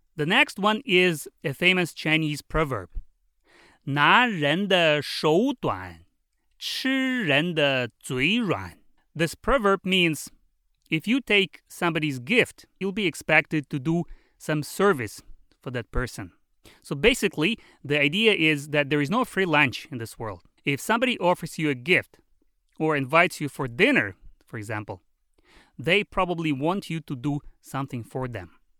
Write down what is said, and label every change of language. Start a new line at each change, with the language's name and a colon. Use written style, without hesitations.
English: The next one is a famous Chinese proverb.
Chinese: 拿人的手短,吃人的嘴软.
English: This proverb means, if you take somebody's gift, you'll be expected to do some service for that person. So basically, the idea is that there is no free lunch in this world. If somebody offers you a gift or invites you for dinner, for example, they probably want you to do something for them.